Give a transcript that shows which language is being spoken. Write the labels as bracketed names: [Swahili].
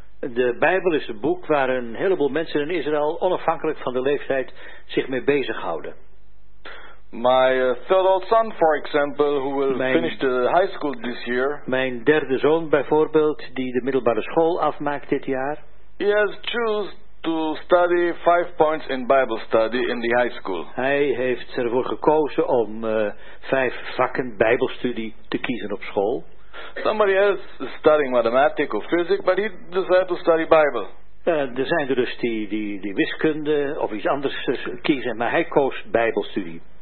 [Dutch] De Bijbel is een boek waar een heleboel mensen in Israël, onafhankelijk van de leeftijd, zich mee bezighouden. [English] My third old son, for example, who will finish the high school this year. [Dutch] Mijn derde zoon bijvoorbeeld, die de middelbare school afmaakt dit jaar. [English] He has chosen to study 5 points in Bible study in the high school. [Dutch] Hij heeft ervoor gekozen om 5 vakken Bijbelstudie te kiezen op school. [English] Somebody else is studying mathematics or physics, but he decided to study Bible. [Dutch] Er zijn er dus die wiskunde of iets anders kiezen, maar hij koos Bijbelstudie.